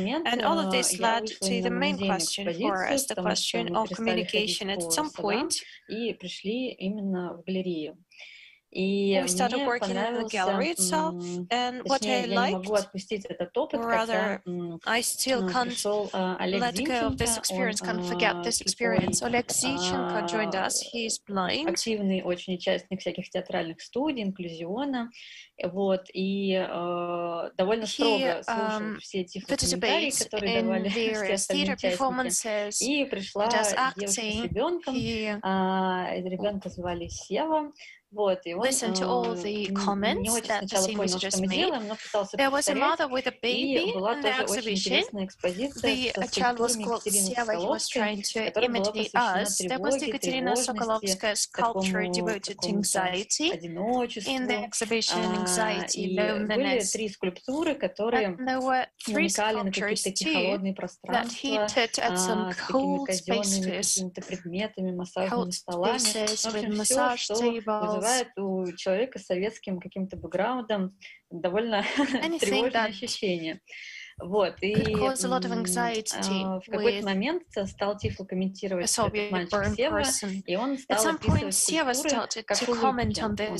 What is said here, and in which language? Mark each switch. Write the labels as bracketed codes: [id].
[en] And all of this led to the main question for us, the question of communication at some point. We started working in the gallery itself, and what I liked, rather, I still can't let go of this experience, can't forget this experience. Oleg Zinchenko joined us, he's blind. [ru] Активный очень участник всяких театральных студий, инклюзиона. Вот, и довольно строго слушал все эти [en] participates in various theater performances. [ru] И пришла девочка с ребенком, ребенка звали Сева. [en] Listen to all the comments that the scene was just made. There was a mother with a baby in the exhibition. The child was called Sieva. He was trying to imitate us. There was the Екатерина Соколовская sculpture devoted to anxiety in the exhibition, anxiety, loneliness. And there were three sculptures too that hinted at some cold spaces, cold spaces with massage tables. [ru] У человека с советским каким-то бэкграундом довольно тревожное ощущение. Вот, и [en] cause a lot of anxiety [ru] в какой-то момент стал тифло комментировать этот мальчик Сева, и он стал [en] at some point, Сева started to comment on this.